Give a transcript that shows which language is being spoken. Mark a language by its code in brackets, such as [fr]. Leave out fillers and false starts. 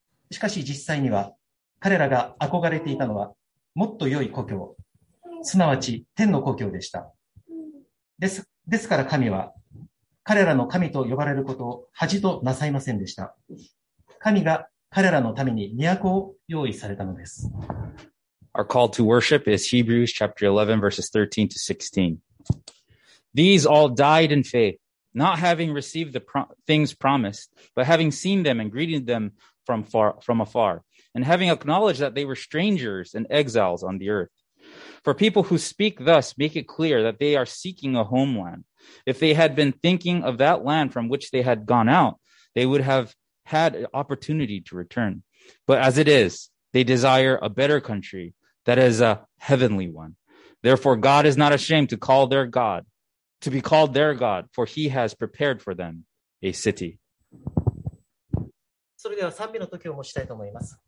[ja] しかし実際には彼らが憧れていたのはもっと良い故郷、すなわち天の故郷でした。ですから神は彼らの神と呼ばれることを恥となさいませんでした。神が彼らのために都を用意されたのです。 [en] Our call to worship is Hebrews chapter 11 verses 13 to 16. These all died in faith, not having received the things promised, but having seen them and greeted them from afar, and having acknowledged that they were strangers and exiles on the earth. For people who speak thus make it clear that they are seeking a homeland. If they had been thinking of that land from which they had gone out, they would have had an opportunity to return. But as it is, they desire a better country, that is a heavenly one. Therefore, God is not ashamed to be called their God, for he has prepared for them a city. [ja] それでは賛美の時を持ちたいと思います。